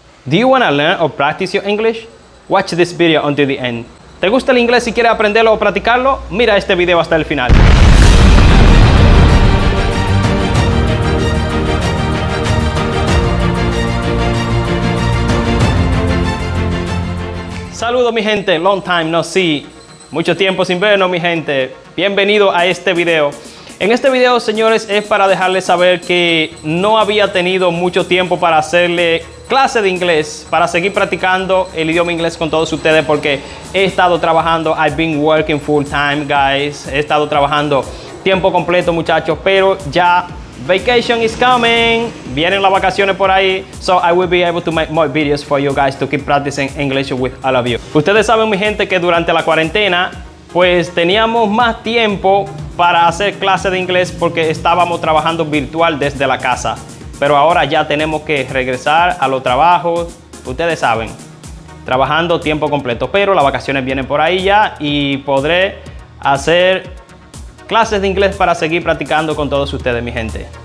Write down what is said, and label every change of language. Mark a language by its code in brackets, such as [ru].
[en] Do you want to learn or practice your English? Watch this video until the end. [es] ¿Te gusta el inglés y quieres aprenderlo o practicarlo? Mira este video hasta el final. Saludos, mi gente. [en] Long time no see. [es] Mucho tiempo sin vernos, mi gente. Bienvenido a este video. En este video, señores, es para dejarles saber que no había tenido mucho tiempo para hacerle clase de inglés, para seguir practicando el idioma inglés con todos ustedes, porque he estado trabajando. [en] I've been working full time, guys. [es] He estado trabajando tiempo completo, muchachos, pero ya [en] vacation is coming. [es] Vienen las vacaciones por ahí. [en] So I will be able to make more videos for you guys to keep practicing English with all of you. [es] Ustedes saben, mi gente, que durante la cuarentena, pues teníamos más tiempo para hacer clases de inglés porque estábamos trabajando virtual desde la casa. Pero ahora ya tenemos que regresar a los trabajos. Ustedes saben, trabajando tiempo completo. Pero las vacaciones vienen por ahí ya y podré hacer clases de inglés para seguir practicando con todos ustedes, mi gente.